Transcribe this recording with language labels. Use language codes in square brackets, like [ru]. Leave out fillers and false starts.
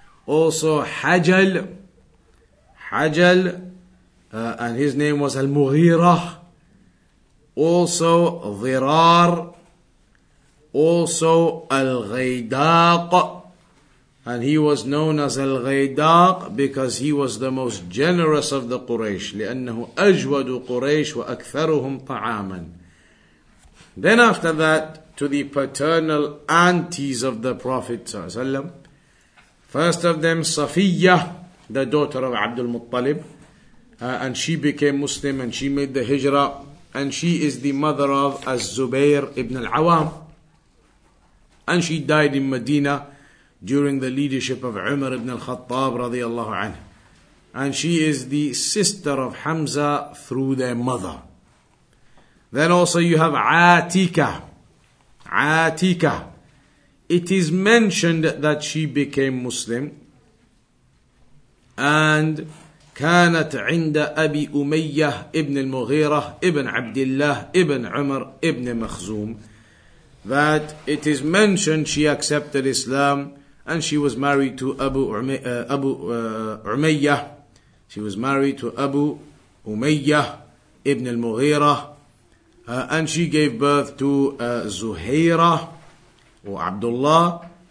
[en] Also Hajjal. Hajjal, and his name was Al-Mughirah. Also Dhirar. also Al-Ghaydaq. And he was known as Al-Ghaydaq because he was the most generous of the Quraysh. [ar] لأنه أجود قريش وأكثرهم طعاما. [en] Then after that, to the paternal aunties of the Prophet [ar] صلى الله عليه وسلم. [en] First of them, Safiya, the daughter of Abdul Muttalib. And she became Muslim and she made the hijrah. And she is the mother of Az-Zubayr ibn al-Awam. And she died in Medina during the leadership of Umar ibn al-Khattab radiallahu anhu. And she is the sister of Hamza through their mother. Then also you have Atika. Atika. It is mentioned that she became Muslim. [ar] And كانت عند أبي أمية ابن المغيرة ابن عبد الله ابن عمر ابن مخزوم. [en] That it is mentioned she accepted Islam and she was married to Abu Umayyah. She was married to Abu Umayyah ibn al-Mughirah. And she gave birth to Zuhayra or Abdullah.